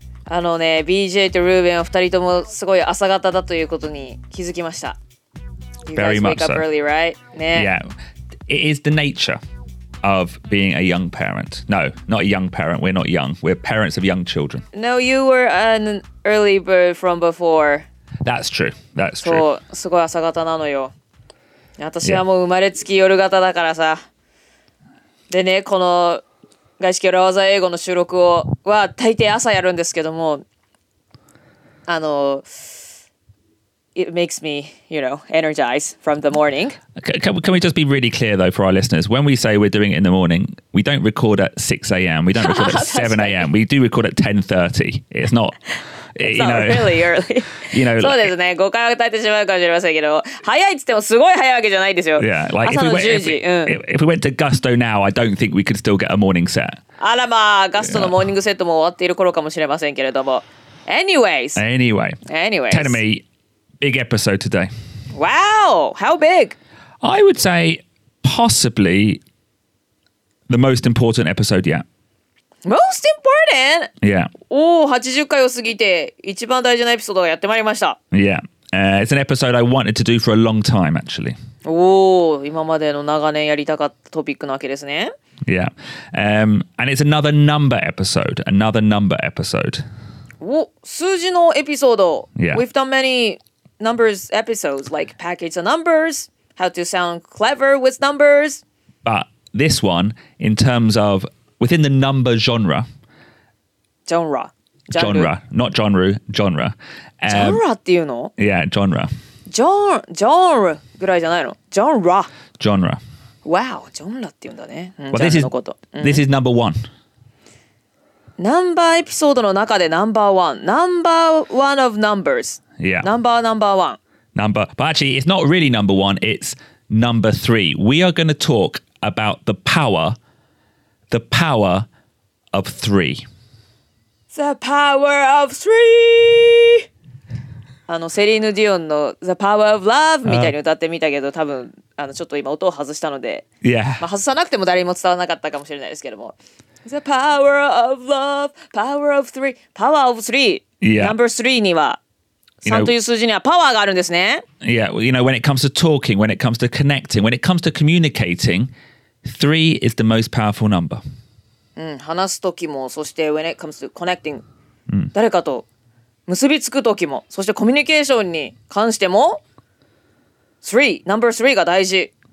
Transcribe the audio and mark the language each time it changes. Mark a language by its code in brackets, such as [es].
[ja] あのね、BJ とルーベンは二人ともすごい朝方だということに気づきました。 [en] Very much so. Early, right? ね、yeah. It is the nature of being a young parent. No, not a young parent. We're not young. We're parents of young children. No, you were an early bird from before. That's true. That's true. [ja] そう、すごい朝方なのよ。私はもう生まれつき夜型だからさ。でね、この外資系裏技英語の収録をは大抵朝やるんですけども、あの、 [en] it makes me, you know, energize from the morning. Can we just be really clear though for our listeners? When we say we're doing it in the morning, we don't record at 6 a.m. We don't record at 7 a.m. We do record at 10:30. It's not, you know, really early. You know, [ja] そうですね。誤解を与えてしまうかもしれませんけど、早いって言ってもすごい早いわけじゃないですよ。 [en] Yeah, like [ja] 朝の10時。 [en] If we went to Gusto now, I don't think we could still get a morning set. [ja] あらまあ、Gusto のモーニングセットも終わっている頃かもしれませんけれども。 [en] Anyways. Anyway. Anyways. Tell me. Big episode today. Wow! How big? I would say possibly the most important episode yet. Most important? Yeah. [ja] Oh, 80回を過ぎて一番大事なエピソードがやってまいりました。 [en] Yeah. It's an episode I wanted to do for a long time, actually. [ja] Oh, 今までの長年やりたかったトピックなわけですね。 [en] Yeah. And it's another number episode. Another number episode. [ja] Oh, 数字のエピソード。 [en] Yeah. We've done many... Numbers episodes, like package of numbers, how to sound clever with numbers. But this one, in terms of, within the number genre. Genre. Genre. Not genre, genre. [ja] Genre っていうの? [en] Yeah, genre. [ja] Genre ぐらいじゃないの?Genre. [en] Genre. [ja] Wow, genre っていうんだね。 [en] Well, this is, this is number one. [ja] ナンバーエピソードの中でナンバーワン。 [en] ナンバーワン of numbers. Yeah. Number one. Number, but actually, it's not really number one, it's number three. We are going to talk about the power of three. The power of three! [ja] あの、セリーヌ・ディオンの The Power of Love みたいに歌ってみたけど、多分、あの、ちょっと今音を外したので。 [en] Yeah. [ja] まあ、外さなくても誰にも伝わらなかったかもしれないですけども。 [en] The power of love, power of three, power of three. Yeah. [ja] Number three には、3という数字にはパワーがあるんですね。 [en] Yeah, well, you know, when it comes to talking, when it comes to connecting, when it comes to communicating, three is the most powerful number. [ja] うん、話すときも、そして [en] when it comes to connecting,、 [ja] 誰かと結びつくときも、そしてコミュニケーションに関しても、three, number three が大事。